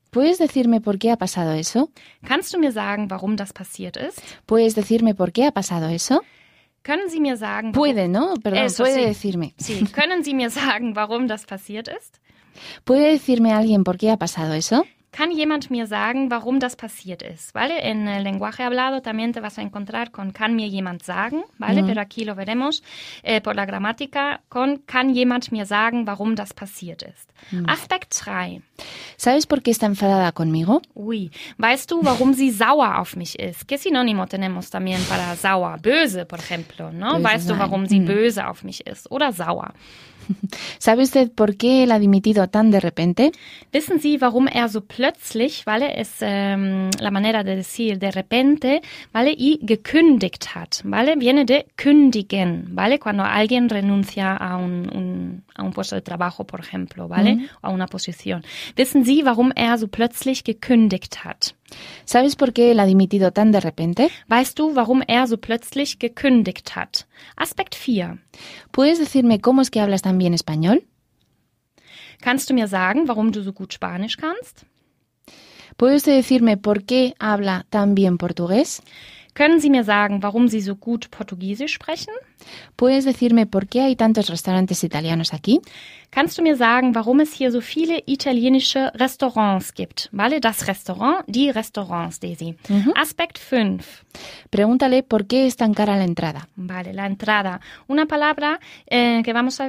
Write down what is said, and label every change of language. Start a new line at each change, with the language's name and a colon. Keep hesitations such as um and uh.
Spanish: ¿Puedes decirme por qué ha pasado eso?
German: Kannst du mir sagen, warum das passiert ist?
Spanish: ¿Puedes decirme por qué ha pasado eso?
German: Können Sie mir sagen,
Spanish: por... Puede, ¿no? Perdón, eso, puede sí. decirme. Sí.
German: Können Sie mir sagen, warum das passiert ist?
Spanish: ¿Puede decirme alguien por qué ha pasado eso?
German: Kann jemand mir sagen, warum das passiert ist?
Spanish: ¿Vale? En el äh, lenguaje hablado también te vas a encontrar con
German: kann mir jemand sagen,
Spanish: ¿vale? Mm. -hmm. aquí lo veremos eh, por la gramática con
German: kann jemand mir sagen, warum das passiert ist.
Spanish: Mm. Aspekt 3. ¿Sabes por qué está enfadada conmigo? Uy.
German: Weißt du, warum sie sauer auf mich ist?
Spanish: ¿Qué sinónimo tenemos también para sauer? Böse, por ejemplo, ¿no?
German: Böse weißt du, warum sie mm. böse auf mich ist oder sauer?
Spanish: ¿Sabe usted por qué él ha dimitido tan de repente?
German: Wissen Sie, warum er so plötzlich, ¿vale?
Spanish: Es la manera de decir de repente, ¿vale? Y gekündigt ¿sí, hat, ¿vale? Viene de kündigen, ¿vale? Cuando alguien renuncia a un, un a un puesto de trabajo, por ejemplo, ¿vale? ¿Sí? O a una posición.
German: Wissen Sie, warum er so plötzlich gekündigt hat?
Spanish: ¿Sabes por qué él ha dimitido tan de repente?
German: Weißt du, warum er so plötzlich gekündigt hat? Aspekt 4.
Spanish: ¿Puedes decirme cómo es que hablas tan bien español?
German: Kannst du mir sagen, warum du so gut Spanisch kannst?
Spanish: ¿Puedes de decirme por qué habla tan bien portugués?
German: Können Sie mir sagen, warum Sie so gut Portugiesisch sprechen?
Spanish: Puedes decirme por qué hay tantos restaurantes italianos aquí?
German: Kannst du mir sagen, warum es hier so viele italienische Restaurants gibt? Vale, das Restaurant, die Restaurants, Daisy. Uh -huh. Aspekt 5.
Spanish: Pregúntale por qué es tan cara la entrada. Vale, la entrada. Una palabra eh, que vamos a